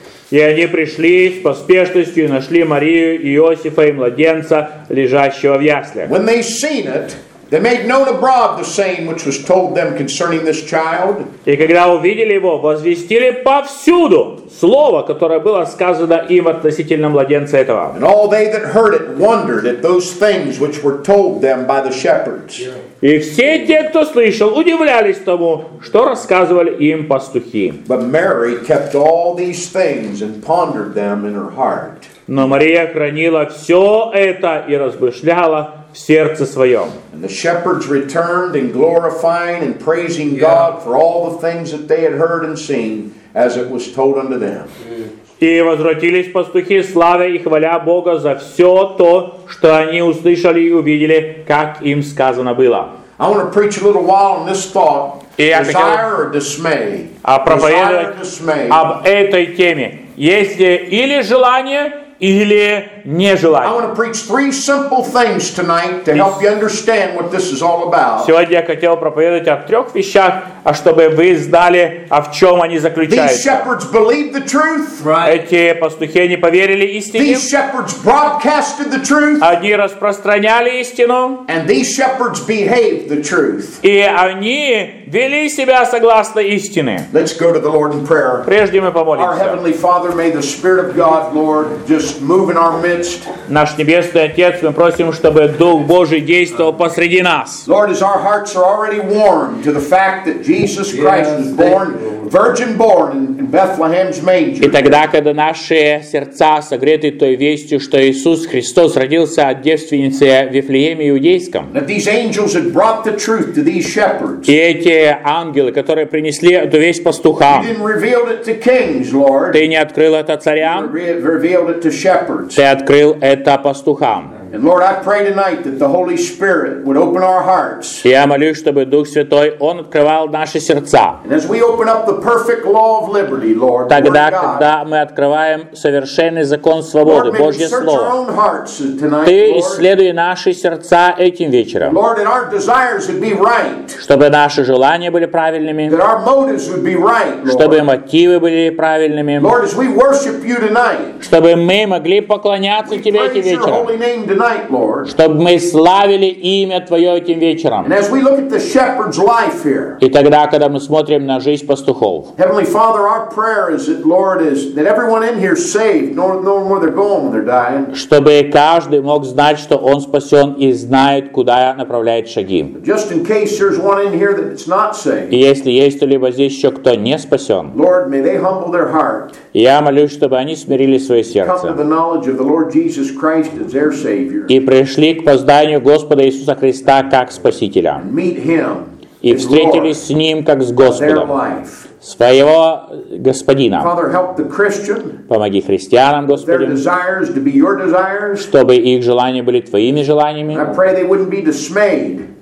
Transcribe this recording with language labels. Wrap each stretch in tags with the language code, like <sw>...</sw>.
<ru>И они пришли с поспешностью и нашли Марию, Иосифа и младенца, лежащего в яслях.</ru> <en>When they seen it, They made known abroad the saying which was told them concerning this child.</en> <ru>И когда увидели его, возвестили повсюду слово, которое было сказано им относительно младенца этого.</ru> <en>And all they that heard it wondered at those things which were told them by the shepherds.</en> <ru>И все те, кто слышал, удивлялись тому, что рассказывали им пастухи.</ru> <en>But Mary kept all these things and pondered them in her heart.</en> <ru>Но Мария хранила все это и размышляла в сердце своем.</ru> <en>And the shepherds returned in glorifying and praising God for all the things that they had heard and seen as it was told unto them.</en> <ru>И возвратились пастухи, славя и хваля Бога за все то, что они услышали и увидели, как им сказано было.</ru> <en>I want to preach a little while on this thought. Desire or dismay?</en> <ru>Проповедовать об этой теме. Есть ли или желание, или нежелание.</ru> <en>I want to preach three simple things tonight to help you understand what this is all about.</en> <ru>Сегодня я хотел проповедовать о трех вещах, а чтобы вы знали, в чем они заключаются.</ru> <en>These shepherds believed the truth.</en> <ru>Эти пастухи не поверили истине.</ru> <en>These shepherds broadcasted the truth.</en> <ru>Они распространяли истину.</ru> <en>And these shepherds behaved the truth.</en> <ru>И они вели себя согласно истине.</ru> <en>Let's go to the Lord in prayer.</en> <ru>Прежде мы помолимся.</ru> <en>Our heavenly Father, may the Spirit of God, Lord, just move in our midst.</en> <ru>Наш небесный Отец, мы просим, чтобы Дух Божий действовал посреди нас.</ru> <en>Lord, as our hearts are already warmed to the fact that Jesus Christ was born, virgin born in Bethlehem's manger.</en> <ru>И тогда, когда наши сердца согреты той вестью, что Иисус Христос родился от девственницы в Вифлееме Иудейском.</ru> <en>That these angels had brought the truth to these shepherds.</en> <ru>И эти ангелы, которые принесли эту весть пастухам.</ru> <en>You didn't reveal it to kings, Lord.</en> <ru>Ты не открыл это царям.</ru> <en>You revealed it to shepherds.</en> <ru>Ты открыл это пастухам.</ru> <en>And Lord, I pray tonight that the Holy Spirit would open our hearts.</en> <ru>Я молюсь, чтобы Дух Святой он открывал наши сердца.</ru> <en>And as we open up the perfect law of liberty, Lord,</en> <ru>тогда, когда мы открываем совершенный закон свободы, Божье слово.</ru> <en>Lord, may we search our own hearts tonight, Lord.</en> <ru>Ты исследуй наши сердца этим вечером.</ru> <en>Lord, that our desires would be right.</en> <ru>Чтобы наши желания были правильными.</ru> <en>That our motives would be right, Lord.</en> <ru>Чтобы мотивы были правильными.</ru> <en>Lord, as we worship you tonight.</en> <ru>Чтобы мы могли поклоняться тебе этим вечером. Чтобы мы славили имя Твое этим вечером.</ru> <en>And as we look at the shepherd's life here,</en> <ru>и тогда, когда мы смотрим на жизнь пастухов,</ru> <en>Heavenly Father, our prayer is that Lord is that everyone in here saved, knowing where they're going when they're dying.</en> <ru>Чтобы каждый мог знать, что он спасен и знает, куда направляет шаги.</ru> <en>Just in case there's one in here that's not saved.</en> <ru>И если есть либо здесь еще кто не спасен,</ru> <en>Lord, may they humble their heart.</en> <ru>Я молюсь, чтобы они смирили свое сердце.</ru> <en>Come to the knowledge of the Lord Jesus Christ as their Savior.</en> <ru>И пришли к познанию Господа Иисуса Христа как Спасителя. И встретились с Ним как с Господом. Своего Господина. Помоги христианам, Господи, чтобы их желания были Твоими желаниями.</ru>